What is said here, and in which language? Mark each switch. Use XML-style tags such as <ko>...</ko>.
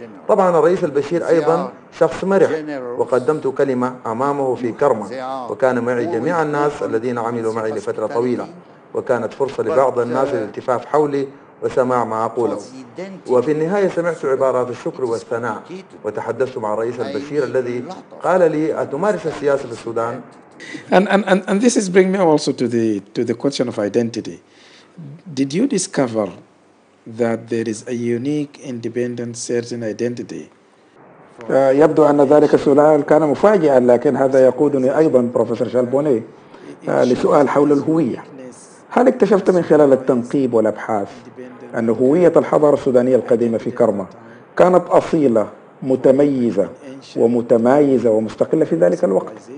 <ar>طبعا الرئيس البشير أيضا شخص مرح، وقدمت كلمة أمامه في كرمة، وكان معي جميع الناس الذين عملوا معي لفترة طويلة، وكانت فرصة لبعض الناس للالتفاف حولي وسماع ما أقوله. وفي النهاية سمعت عبارات الشكر والثناء، وتحدثت مع الرئيس البشير الذي قال لي أتمارس السياسة في السودان.</ar> <en>And this is bringing me also to the question of identity. Did you discover that there is a unique independent certain identity?</en> <ar>يبدو أن ذلك السؤال كان مفاجئا، لكن هذا يقودني أيضا بروفيسور شالبوني لسؤال حول الهوية. هل اكتشفت من خلال التنقيب والأبحاث أن هوية الحضارة السودانية القديمة في كرمة كانت أصيلة متميزة ومتمايزة ومستقلة في ذلك الوقت؟</ar>